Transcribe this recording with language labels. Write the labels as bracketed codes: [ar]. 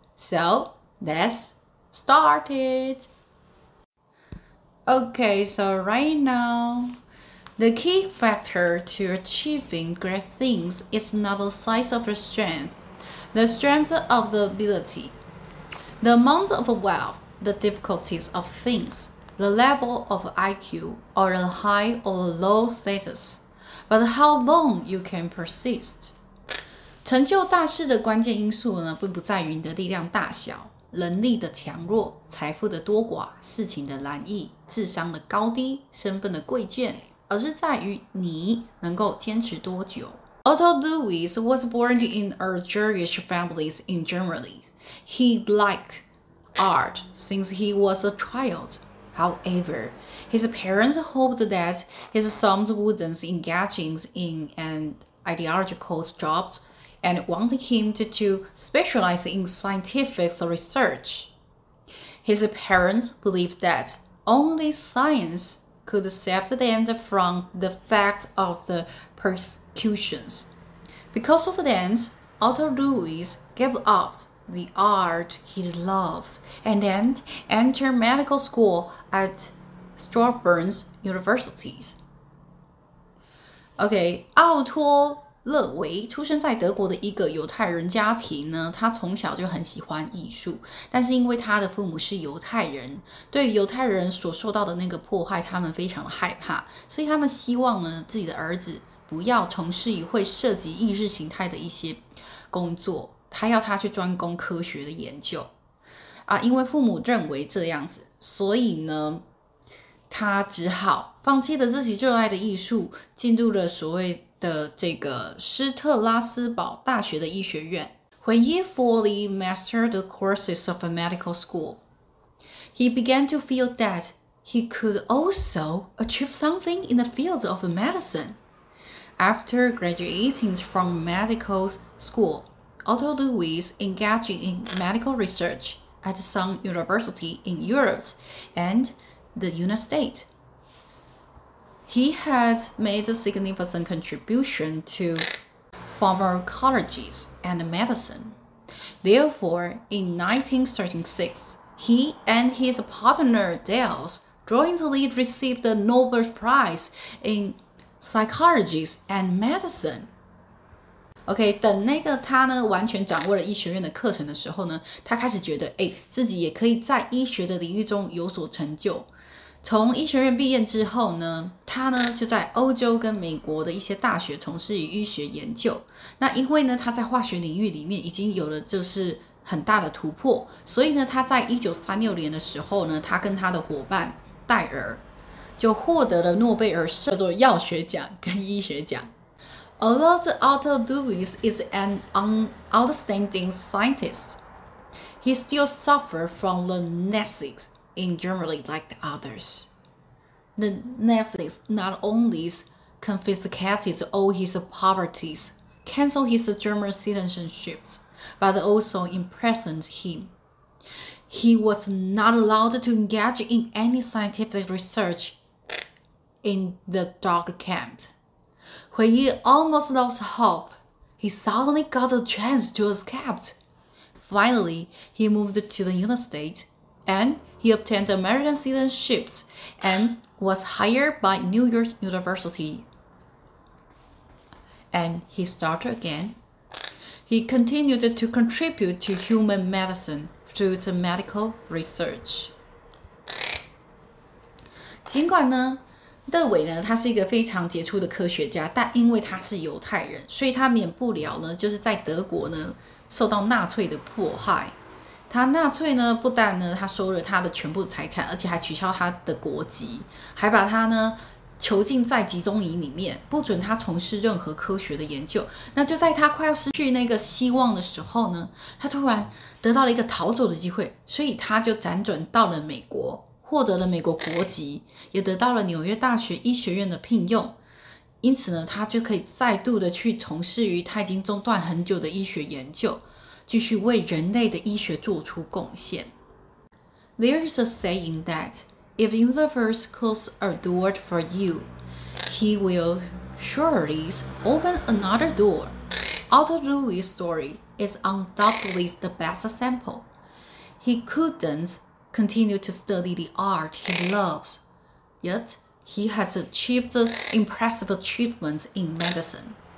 [en] So let's start it. Okay, so right now, the key factor to achieving great things is not the size of your strength, the strength of the ability, the amount of wealth, the difficulties of things, the level of IQ, or the high or low status, but how long you can persist. [zh] 成就大事的关键因素呢，并不在于你的力量大小、能力的强弱、财富的多寡、事情的难易、智商的高低、身份的贵贱，而是在于你能够坚持多久。 [en] Otto Lewis was born in a Jewish family in Germany. He liked art since he was a child. However, his parents hoped that his son wouldn't engage in an ideological job. And wanted him to specialize in scientific research. His parents believed that only science could save them from the fact of the persecutions. Because of them, Otto Lewis gave up the art he loved and then entered medical school at Strasbourg University. Okay, Otto. [zh] 勒维出生在德国的一个犹太人家庭呢，他从小就很喜欢艺术，但是因为他的父母是犹太人，对犹太人所受到的那个迫害，他们非常的害怕，所以他们希望呢自己的儿子不要从事于会涉及意识形态的一些工作，他要他去专攻科学的研究啊，因为父母认为这样子，所以呢，他只好放弃了自己热爱的艺术，进入了所谓。的这个施特拉斯堡大学的医学院。 [en] When he fully mastered the courses of a medical school, he began to feel that he could also achieve something in the field of medicine. After graduating from medical school, Otto Lewis engaged in medical research at some university in Europe and the United States. He had made a significant contribution to pharmacology and medicine. Therefore, in 1936, he and his partner Dales jointly received the Nobel Prize in Psychology and Medicine. [zh] OK, 等那个他呢完全掌握了医学院的课程的时候呢，他开始觉得，哎，自己也可以在医学的领域中有所成就。从医学院毕业之后呢，他呢就在欧洲跟美国的一些大学从事医学研究。那因为呢他在化学领域里面已经有了就是很大的突破，所以呢他在1936年的时候呢，他跟他的伙伴戴尔就获得了诺贝尔社的药学奖跟医学奖。 [en] Although Otto Lewis is an outstanding scientist, he still suffered from the Nazis. In Germany, like the others, the Nazis not only confiscated all his poverty, canceled his German citizenship, but also imprisoned him. He was not allowed to engage in any scientific research in the dark camp. When he almost lost hope, he suddenly got a chance to escape. Finally, he moved to the United States andHe obtained American citizenship and was hired by New York University. And he started again. He continued to contribute to human medicine through its medical research. [zh] 尽管呢，勒维呢，他是一个非常杰出的科学家，但因为他是犹太人，所以他免不了呢，就是在德国呢，受到纳粹的迫害。他纳粹呢，不但呢，他收了他的全部财产，而且还取消他的国籍，还把他呢囚禁在集中营里面，不准他从事任何科学的研究。那就在他快要失去那个希望的时候呢，他突然得到了一个逃走的机会，所以他就辗转到了美国，获得了美国国籍，也得到了纽约大学医学院的聘用。因此呢，他就可以再度的去从事于他已经中断很久的医学研究，继续为人类的医学做出贡献。 [en] There is a saying that if the universe closes a door for you, he will surely open another door. Otto Louis' story is undoubtedly the best example. He couldn't continue to study the art he loves, yet he has achieved impressive achievements in medicine.